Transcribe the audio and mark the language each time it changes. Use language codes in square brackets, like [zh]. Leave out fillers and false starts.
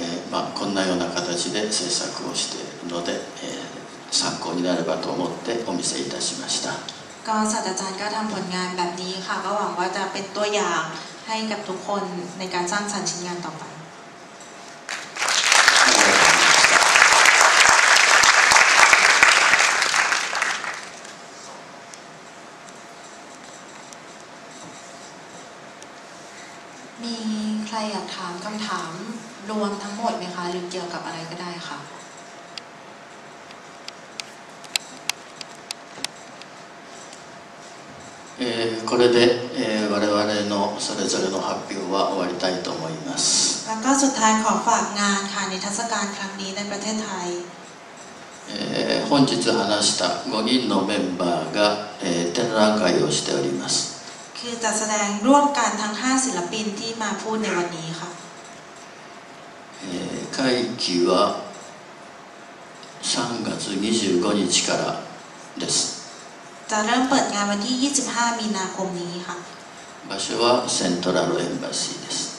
[ja] まあ、こんなような形で制作をしているので、参考になればと思ってお見せいたしました。 [th] ก็ศาสตราจารย์ก็ทำผลงานแบบนี้ค่ะก็หวังว่าจะเป็นตัวอย่างให้กับทุกคนในการสร้างสรรค์ชิ้นงานต่อไปมีใครอยากถามคำถามรวมทั้งหมดไหมคะหรือเกี่ยวกับอะไรก็ได้ค่ะ [ja] これで、我々のそれぞれの発表は終わりたいと思います。 [th] และก็สุดท้ายขอฝากงานค่ะในเทศกาลครั้งนี้ในประเทศไทย [ja] 本日話した5人のメンバーが、展覧会をしております。 [th] คือจะแสดงร่วมกันทั้ง5ศิลปินที่มาพูดในวันนี้ค่ะ [ja] 会期は3月25日からです。 [th] จะเริ่มเปิดงานวันที่25มีนาคมนี้ค่ะ [ja] 場所はセントラルエンバシーです。